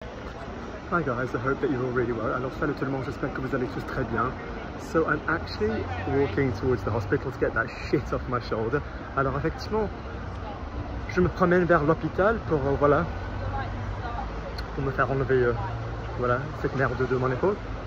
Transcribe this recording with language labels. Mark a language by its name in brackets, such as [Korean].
[English] Hi guys, I hope that you're all really well. [French] Alors, salut tout le monde, j'espère que vous allez tous très bien. [English] So, I'm actually walking towards the hospital to get that shit off my shoulder. [French] Alors, effectivement, je me promène vers l'hôpital pour, voilà, pour me faire enlever, voilà, cette merde de mon épaule.